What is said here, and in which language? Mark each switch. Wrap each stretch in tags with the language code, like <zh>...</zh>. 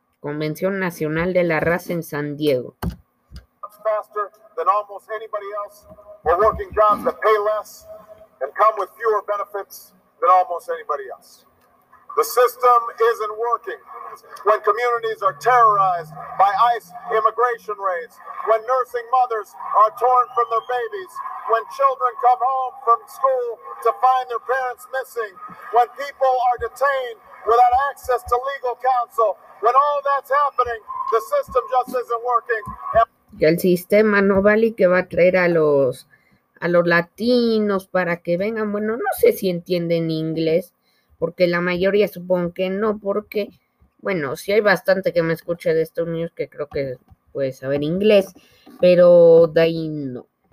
<es>Convención Nacional de la Raza en San Diego.</es> <en>Faster than almost anybody else. We're working jobs that pay less and come with fewer benefits. Than almost anybody else. The system isn't working. When communities are terrorized by ICE immigration raids, when nursing mothers are torn from their babies, when children come home from school to find their parents missing, when people are detained without access to legal counsel, when all that's happening, the system just isn't working.</en> <es>El sistema no vale y que va a traer a los latinos para que vengan. Bueno, no sé si entienden inglés, porque la mayoría supongo que no, porque, bueno, si hay bastante que me escuche de Estados Unidos que creo que puede saber inglés, pero de ahí no.</es>